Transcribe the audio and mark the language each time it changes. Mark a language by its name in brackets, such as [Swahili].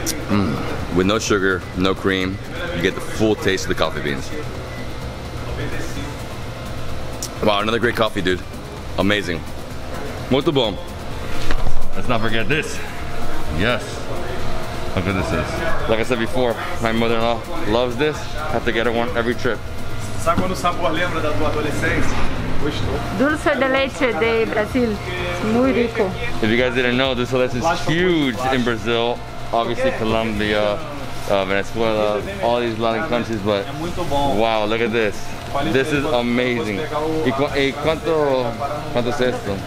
[English] Mm. With no sugar, no cream, you get the full taste of the coffee beans. Wow, another great coffee, dude. Amazing. [Portuguese] Muito bom. [English] Let's not forget this. Yes. How good this is. Like I said before, my mother-in-law loves this. I have to get her one every trip. [Portuguese] Sabe quando o sabor lembra da tua adolescência? [Spanish] Dulce de leite de Brasil. Muy rico. [English] If you guys didn't know, dulce de leite is huge in Brazil. Obviously, Colombia, Venezuela, all these Latin countries, but wow, look at this. This is amazing. [Spanish] ¿Cuánto es esto?